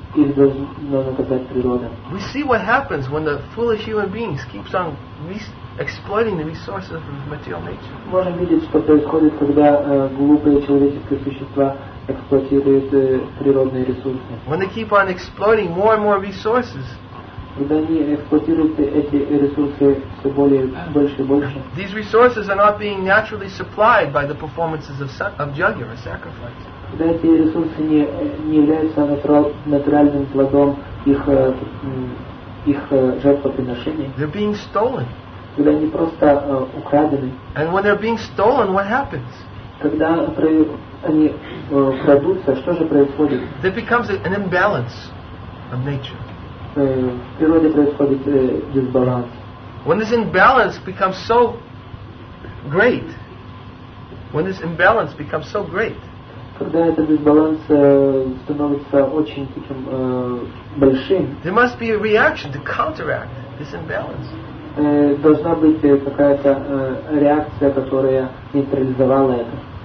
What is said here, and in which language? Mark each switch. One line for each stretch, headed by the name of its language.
Russian: их должна наказать природа.
English: We see what happens when the foolish human beings keeps on exploiting the resources of material nature.
Russian: Можем видеть, что происходит, когда глупые человеческие существа эксплуатируют природные ресурсы.
English: When they keep on exploiting more and more resources.
Russian: Когда они эксплуатируют эти ресурсы все более, больше и больше.
English: These resources are not being naturally supplied by the performances of yajna or sacrifice.
Russian: Когда эти ресурсы не являются натуральным плодом их жертвоприношений.
English: They're being stolen.
Russian: Когда они просто украдены.
English: And when they're being stolen, what happens?
Russian: Когда они крадутся, что же происходит?
English: There becomes an imbalance of nature.
Russian: В природе происходит дисбаланс.
English: When this imbalance becomes so great,
Russian: когда этот дисбаланс становится очень таким большим,
English: there must be a reaction to counteract this imbalance.
Russian: Должна быть какая-то реакция, которая нейтрализовала это.